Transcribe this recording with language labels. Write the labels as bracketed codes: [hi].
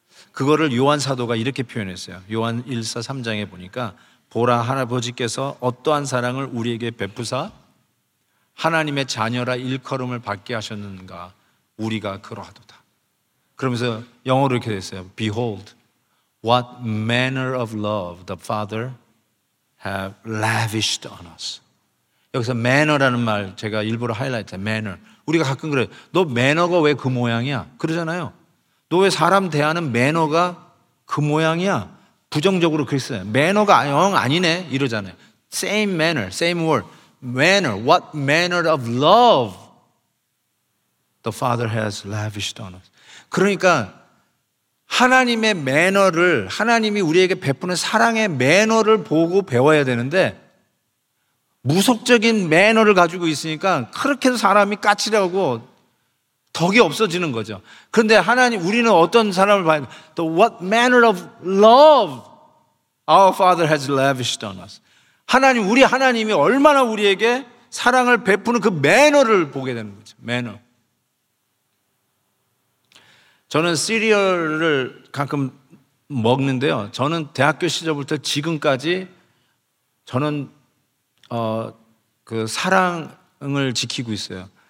[ko] 그거를 요한 사도가 이렇게 표현했어요. 요한 1서 3장에 보니까 보라 할아버지께서 어떠한 사랑을 우리에게 베푸사 하나님의 자녀라 일컬음을 받게 하셨는가 우리가 그러하도다. 그러면서 영어로 이렇게 됐어요. [en] Behold, what manner of love the Father have lavished on us. [ko] 여기서 매너라는 말 제가 일부러 하이라이트해. 매너. 우리가 가끔 그래요. 너 매너가 왜 그 모양이야? 그러잖아요. 너 왜 사람 대하는 매너가 그 모양이야? 부정적으로 그랬어요. 매너가 영 아니네 이러잖아요. [en] Same manner, same word. Manner, what manner of love the Father has lavished on us. [ko] 그러니까 하나님의 매너를, 하나님이 우리에게 베푸는 사랑의 매너를 보고 배워야 되는데 무속적인 매너를 가지고 있으니까 그렇게 해서 사람이 까칠하고 덕이 없어지는 거죠. 그런데 하나님, 우리는 어떤 사람을 봐야 돼요? [en] The what manner of love our Father has lavished on us. [ko] 하나님, 우리 하나님이 얼마나 우리에게 사랑을 베푸는 그 매너를 보게 되는 거죠. 매너. 저는 시리얼을 가끔 먹는데요. 저는 대학교 시절부터 지금까지 저는 그 사랑을 지키고 있어요.